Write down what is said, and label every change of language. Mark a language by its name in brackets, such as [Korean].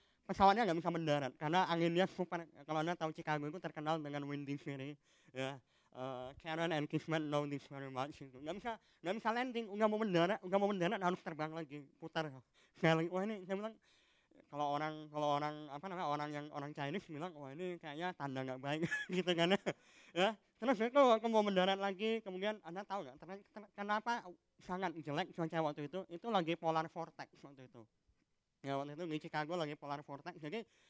[Indonesian] Pesawatnya nggak bisa mendarat karena anginnya super. Kalau Anda tahu Chicago itu terkenal dengan windy city. [English] Ya, Karen and Kismet know this very much. [Indonesian] Nggak bisa landing, nggak mau mendarat harus terbang lagi putar. Wah ini saya bilang kalau orang Chinese bilang wah ini kayaknya tanda nggak baik gitu kan ya. Terus itu aku mau mendarat lagi, kemudian Anda tahu nggak kenapa sangat jelek cuaca waktu itu lagi polar vortex waktu itu. Ya waktu itu di Chicago lagi polar vortex, jadi